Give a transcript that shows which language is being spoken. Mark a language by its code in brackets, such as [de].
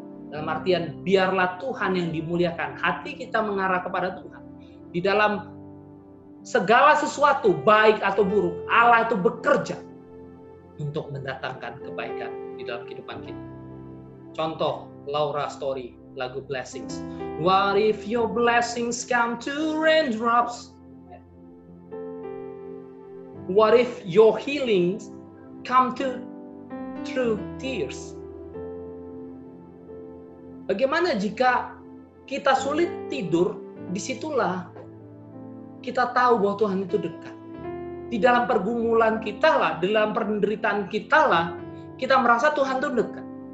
[id] Dalam artian, biarlah Tuhan yang dimuliakan, hati kita mengarah kepada Tuhan. Di dalam segala sesuatu, baik atau buruk, Allah itu bekerja untuk mendatangkan kebaikan di dalam kehidupan kita. Contoh, Laura Story, lagu Blessings. [en] What if your blessings come to raindrops? What if your healings come to through tears? [id] Bagaimana jika kita sulit tidur, disitulah kita tahu bahwa Tuhan itu dekat. Di dalam pergumulan kita lah, dalam penderitaan kita lah, kita merasa Tuhan itu dekat.